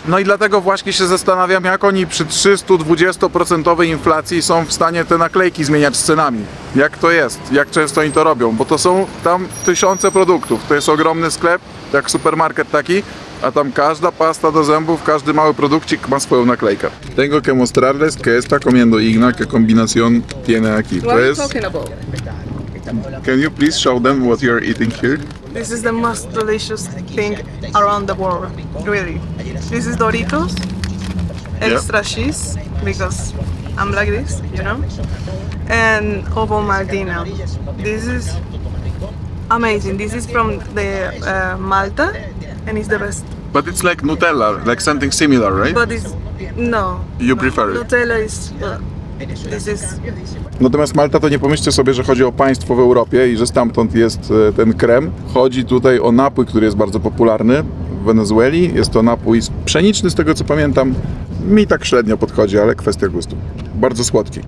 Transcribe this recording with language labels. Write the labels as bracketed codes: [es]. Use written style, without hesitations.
[pl] No i dlatego właśnie się zastanawiam, jak oni przy 320% inflacji są w stanie te naklejki zmieniać z cenami. Jak to jest? Jak często oni to robią? Bo to są tam tysiące produktów, to jest ogromny sklep, jak supermarket taki. A tam każda pasta do zębów, każdy mały produkcik ma swoją naklejkę. [es] Tengo que mostrarles que está comiendo Igna, que combinación tiene aquí. [en] What are you talking about? Can you please show them what you're eating here? This is the most delicious thing around the world, really. This is Doritos, extra cheese, because I'm like this, you know? And Ovo Maltina. This is amazing. This is from the Malta. And it's the best. But it's like Nutella, like something similar, right? But it's... no. You prefer it? Nutella is... this is... [pl] Natomiast Malta, to nie pomyślcie sobie, że chodzi o państwo w Europie i że stamtąd jest ten krem. Chodzi tutaj o napój, który jest bardzo popularny w Wenezueli. Jest to napój pszeniczny, z tego co pamiętam. Mi tak średnio podchodzi, ale kwestia gustu. Bardzo słodki.